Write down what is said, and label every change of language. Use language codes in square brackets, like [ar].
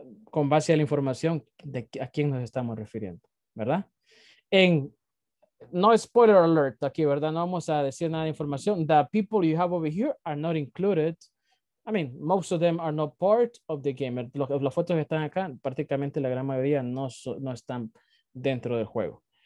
[es] Con base a la información de a quién nos estamos refiriendo, ¿verdad? En, no spoiler alert aquí, ¿verdad? No vamos a decir nada de información. [en] The people you have over here are not included. I mean, most of them are not part of the game. [es] Las fotos que están acá, prácticamente la gran mayoría no están dentro del juego.